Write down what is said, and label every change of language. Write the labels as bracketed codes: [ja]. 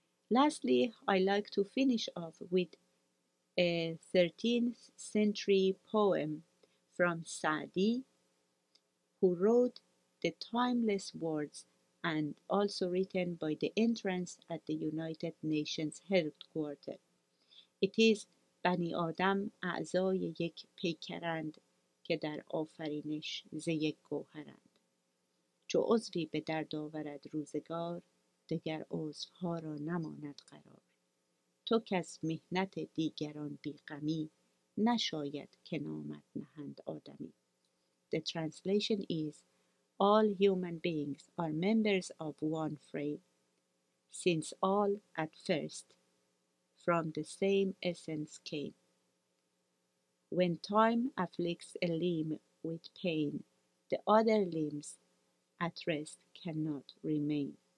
[en] Lastly, I like to finish off with a 13th century poem from Sa'di, who wrote the timeless words and also written by the entrance at the United Nations headquarters. It is [fa] بنی آدم اعضای یک پیکرند که در آفرینش ز یک گوهرند. چو عضوی به درد آورد روزگار، دگر عضوها را نماند قرار. تو کس مهنت دیگران بیغمی نشاید که نامت نهند آدمی. [en] The translation is, all human beings are members of one frame, since all at first from the same essence came. When time afflicts a limb with pain, the other limbs at rest cannot remain.